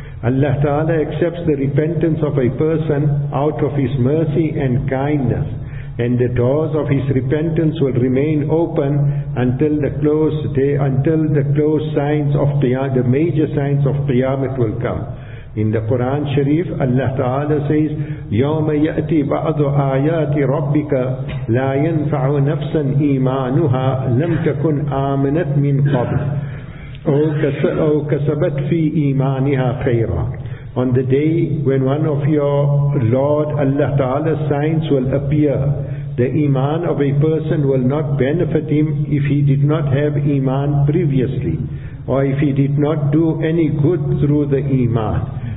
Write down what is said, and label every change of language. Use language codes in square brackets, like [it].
[en] Allah Ta'ala accepts the repentance of a person out of His mercy and kindness, and the doors of His repentance will remain open until the close day, until the close signs of Qiyamah, the major signs of Qiyamah will come. In the Quran Sharif, Allah Ta'ala says, [ar] يَوْمَ يَأْتِي بَعْضُ آيَاتِ رَبِّكَ لَا يَنْفَعُ نَفْسًا إِيمَانُهَا لَمْ تَكُنْ آمَنَتْ مِنْ قَبْلِ أَوْ كَسَبَتْ فِي إِيمَانِهَا خَيْرًا. [en] On the day when one of your Lord Allah Ta'ala's signs will appear, the iman of a person will not benefit him if he did not have iman previously, or if he did not do any good through the iman.